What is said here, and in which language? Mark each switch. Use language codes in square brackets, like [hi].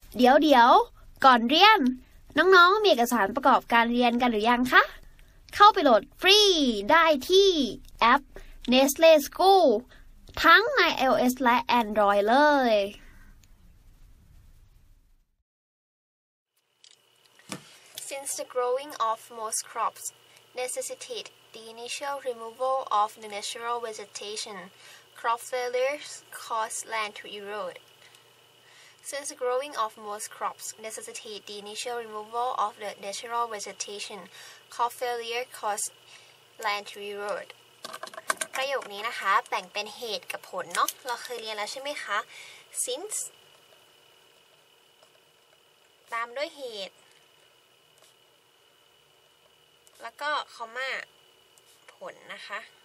[th] เดี๋ยวก่อนเรียนน้องๆมีเอกสารประกอบการเรียนกันหรือยังคะเข้าไปโหลดฟรีได้ที่แอป Nestle School ทั้งใน iOS และ Android เลย [en] Since the growing of most crops necessitate the initial removal of the natural vegetation, crop failures cause land to erode. Since the growing of most crops necessitate the initial removal of the natural vegetation, crop failure cause land to erode. [th] ประโยคนี้นะคะแบ่งเป็นเหตุกับผลเนาะเราเคยเรียนแล้วใช่ไหมคะ Since ตามด้วยเหตุแล้วก็คอมม่าผลนะคะ